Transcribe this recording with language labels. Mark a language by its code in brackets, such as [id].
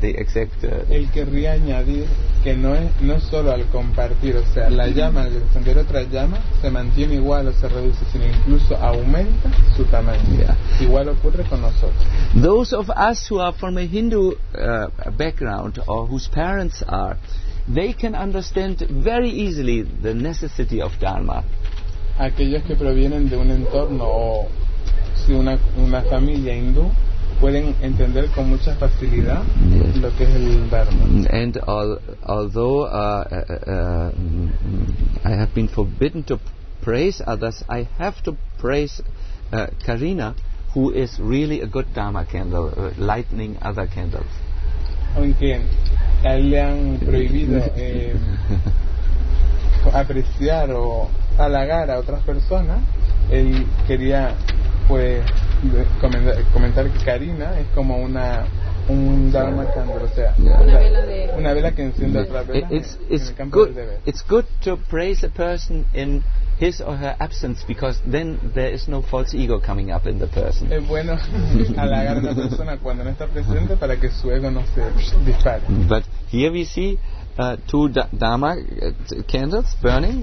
[es] Él querría añadir que no es solo al compartir, o sea, la llama, al encender otra llama, se mantiene igual o se reduce, sino incluso aumenta su tamaño. [en] Yeah. [es] Igual ocurre con nosotros. [en] Those of us who are from a Hindu background or whose parents are, they can understand very easily the necessity of Dharma. [es] Aquellos que provienen de un entorno o si una familia hindú, pueden entender con mucha facilidad lo que es el Dharma. [en] And although I have been forbidden to praise others, I have to praise Karina, who is really a good Dharma candle, lightening other candles. [es] Aunque a él le han prohibido apreciar o halagar a otras personas, él quería pues comentar que Karina es como un Dharma candle, o sea, una vela que enciende otra vela. [en] It's good to praise a person in his or her absence, because then there is no false ego coming up in the person. [es] Es bueno halagar a una persona cuando no está presente para que su ego no se dispare. [en] But here we see two Dharma candles burning.